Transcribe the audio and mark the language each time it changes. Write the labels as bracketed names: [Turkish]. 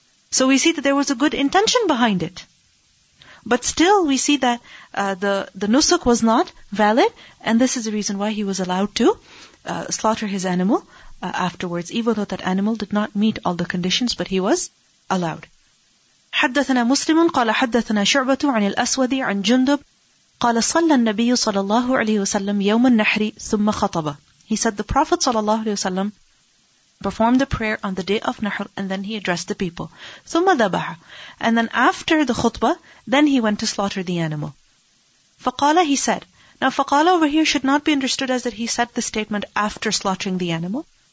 [English] So we see that there was a good intention behind it. But still we see that the nusuk was not valid, and this is the reason why he was allowed to slaughter his animal afterwards, even though that animal did not meet all the conditions, but he was allowed. [Arabic] حدثنا مسلم قال حدثنا شعبة عن الأسود عن جندب قال صلى النبي صلى الله عليه وسلم يوم النحر ثم خطب. [English] He said the Prophet صلى الله عليه وسلم performed the prayer on the day of Nahr, and then he addressed the people. [Arabic] ثم ذبح, [English] and then after the khutbah, then he went to slaughter the animal. [Arabic] فقال, [English] he said, Now, faqala over here should not be understood as that he said the statement after slaughtering the animal.